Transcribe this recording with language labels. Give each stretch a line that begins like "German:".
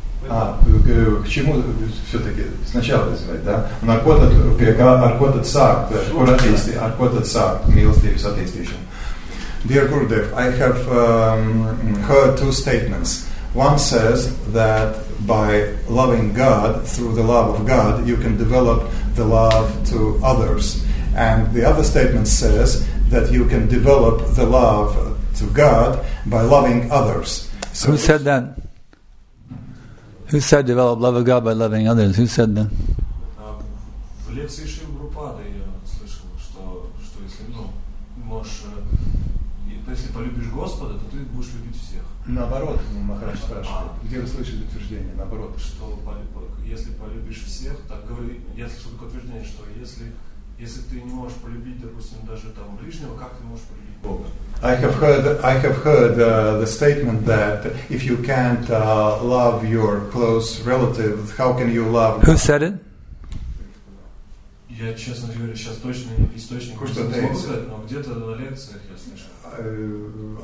Russian: К чему все-таки сначала развивать, да? Аркотат сак, куратисты, аркотат сак, милостивый соответствующий.
English: Dear Gurudev, I have heard two statements. One says that by loving God, through the love of God, you can develop the love to others. And the other statement says that you can develop the love to God by loving others. So who said that? Who said develop love of God by loving others? Who said that?
Russian: В лекции Шрилы Прабхупады я слышал, что если, ну, можешь, если полюбишь Господа, то ты будешь любить всех. Наоборот, Махарадж спрашивает, где вы слышали утверждение, наоборот? Что если полюбишь всех, так говори, я слышал такое утверждение, что если ты не можешь полюбить, допустим, даже там ближнего, как ты можешь полюбить Бога?
English: I have heard the statement that if you can't love your close relative, how can you love God? Who said it?
Russian: Я, честно говоря, сейчас точно источник не смогу сказать, но где-то на лекциях я слышал.